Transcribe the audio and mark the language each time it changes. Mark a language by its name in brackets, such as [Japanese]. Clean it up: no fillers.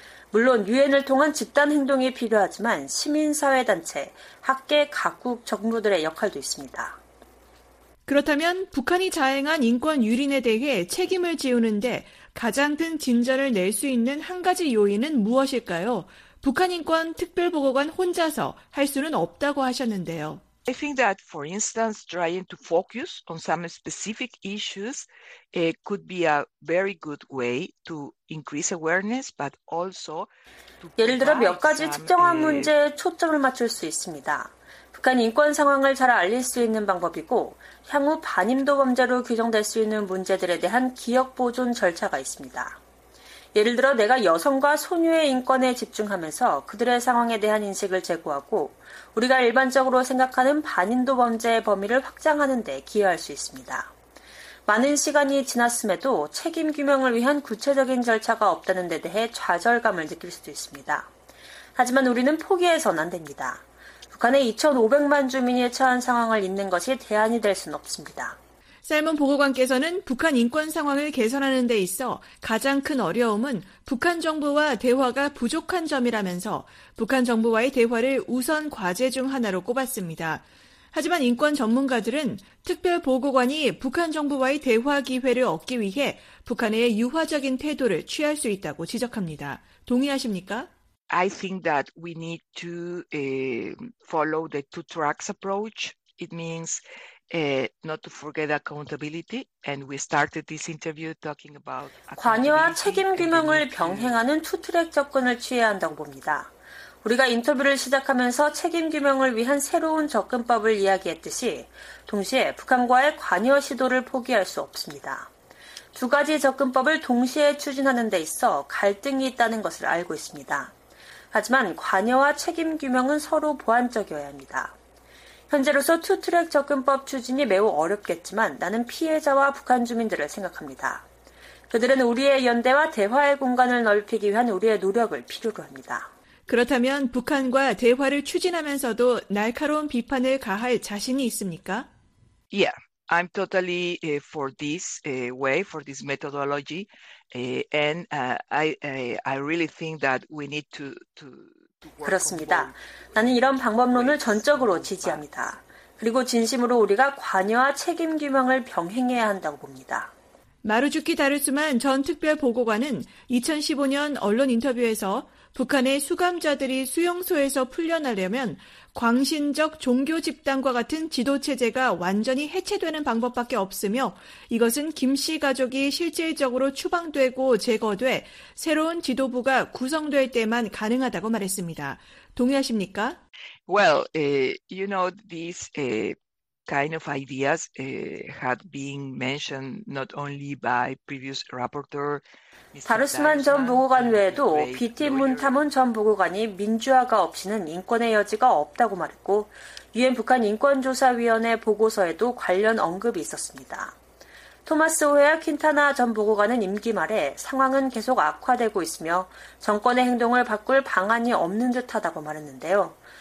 [Korean] 물론 유엔을 통한 집단 행동이 필요하지만 시민사회단체, 학계 각국 정부들의 역할도 있습니다. 그렇다면 북한이 자행한 인권 유린에 대해 책임을 지우는데 가장 큰 진전을 낼 수 있는 한 가지 요인은 무엇일까요? 북한 인권 특별보고관 혼자서 할 수는 없다고 하셨는데요. [English] I think that, for instance, trying to focus on some specific issues could be a very good way to increase awareness, but also. [Korean] 예를 들어 몇 가지 특정한 문제에 초점을 맞출 수 있습니다. 북한 인권 상황을 잘 알릴 수 있는 방법이고 향후 반인도 범죄로 규정될 수 있는 문제들에 대한 기억 보존 절차가 있습니다. 예를 들어 내가 여성과 소녀의 인권에 집중하면서 그들의 상황에 대한 인식을 제고하고 우리가 일반적으로 생각하는 반인도 범죄의 범위를 확장하는 데 기여할 수 있습니다. 많은 시간이 지났음에도 책임 규명을 위한 구체적인 절차가 없다는 데 대해 좌절감을 느낄 수도 있습니다. 하지만 우리는 포기해서는 안 됩니다. 북한의 2,500만 주민이 처한 상황을 잊는 것이 대안이 될 수는 없습니다. 살몬 보고관께서는 북한 인권 상황을 개선하는 데 있어 가장 큰 어려움은 북한 정부와 대화가 부족한 점이라면서 북한 정부와의 대화를 우선 과제 중 하나로 꼽았습니다. 하지만 인권 전문가들은 특별 보고관이 북한 정부와의 대화 기회를 얻기 위해 북한의 유화적인 태도를 취할 수 있다고 지적합니다. 동의하십니까? [English] I think that we need to follow the two tracks approach. It means not to forget accountability. And we started this interview talking about [Korean] 관여와 책임 규명을 병행하는 투트랙 접근을 취해야 한다고 봅니다. 우리가 인터뷰를 시작하면서 책임 규명을 위한 새로운 접근법을 이야기했듯이 동시에 북한과의 관여 시도를 포기할 수 없습니다. 두 가지 접근법을 동시에 추진하는 데 있어 갈등이 있다는 것을 알고 있습니다. 하지만 관여와 책임 규명은 서로 보완적이어야 합니다. 현재로서 투트랙 접근법 추진이 매우 어렵겠지만 나는 피해자와 북한 주민들을 생각합니다. 그들은 우리의 연대와 대화의 공간을 넓히기 위한 우리의 노력을 필요로 합니다. 그렇다면 북한과 대화를 추진하면서도 날카로운 비판을 가할 자신이 있습니까? [English] Yeah, I'm totally for this way, for this methodology. I really think that we need to [Korean] 그렇습니다. 나는 이런 방법론을 전적으로 지지합니다. 그리고 진심으로 우리가 관여와 책임 규명을 병행해야 한다고 봅니다. 마루주키 다르스만 전 특별 보고관은 2015년 언론 인터뷰에서 북한의 수감자들이 수용소에서 풀려나려면 광신적 종교 집단과 같은 지도체제가 완전히 해체되는 방법밖에 없으며 이것은 김 씨 가족이 실질적으로 추방되고 제거돼 새로운 지도부가 구성될 때만 가능하다고 말했습니다. 동의하십니까? [English] Well, you know, these kind of ideas had been mentioned not only by previous rapporteur [Korean] 다르스만 전 보고관 외에도 비티 문타문 전 보고관이 민주화가 없이는 인권의 여지가 없다고 말했고 유엔 북한 인권조사위원회 보고서에도 관련 언급이 있었습니다. 토마스 오헤아 퀸타나 전 보고관은 임기 말에 상황은 계속 악화되고 있으며 정권의 행동을 바꿀 방안이 없는 듯하다고 말했는데요.